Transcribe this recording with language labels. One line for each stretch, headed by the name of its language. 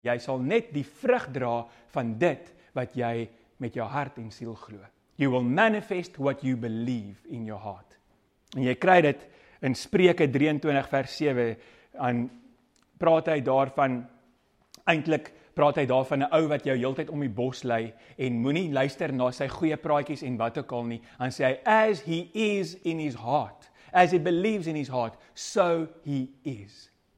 Afrikaans: Jy sal net die vrug dra van dit wat jy met jou hart en siel glo.
English: You will manifest what you believe in your heart.
Afrikaans: En jy kry dit in Spreuke 23 vers 7 aan praat hy daarvan eintlik praat hy daarvan 'n ou wat jou heeltyd om die bos lei en moenie luister na sy goeie praatjies en wat ook al nie. Dan sê hy
English: as he is in his heart, as he believes in his heart, so he is.